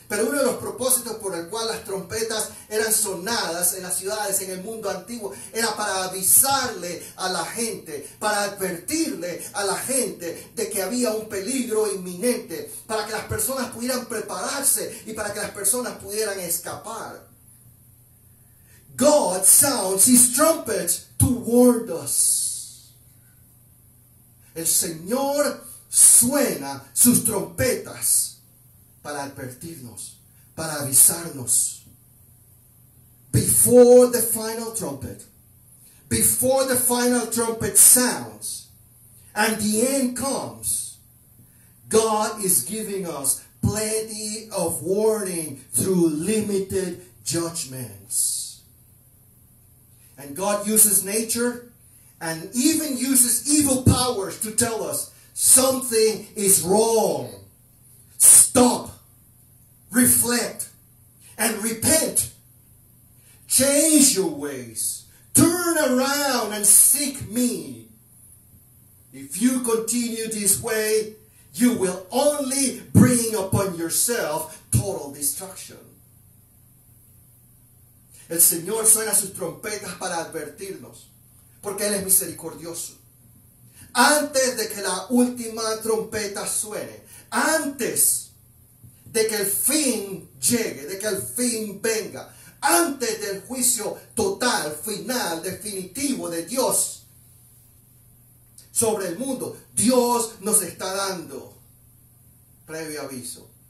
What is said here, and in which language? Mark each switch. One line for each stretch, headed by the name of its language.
Spanish: Pero uno de los propósitos por el cual las trompetas eran sonadas en las ciudades, en el mundo antiguo, era para avisarle a la gente, para advertirle a la gente de que había un peligro inminente, para que las personas pudieran prepararse y para que las personas pudieran escapar.
English: God sounds his trumpets to warn us.
Spanish: El Señor suena sus trompetas para advertirnos, para avisarnos.
English: Before the final trumpet sounds and the end comes, God is giving us plenty of warning through limited judgments. And God uses nature and even uses evil powers to tell us, something is wrong. Stop. Reflect. And repent. Change your ways. Turn around and seek me. If you continue this way, you will only bring upon yourself total destruction.
Spanish: El Señor suena sus trompetas para advertirnos, porque Él es misericordioso. Antes de que la última trompeta suene, antes de que el fin llegue, de que el fin venga, antes del juicio total, final, definitivo de Dios sobre el mundo, Dios nos está dando previo aviso.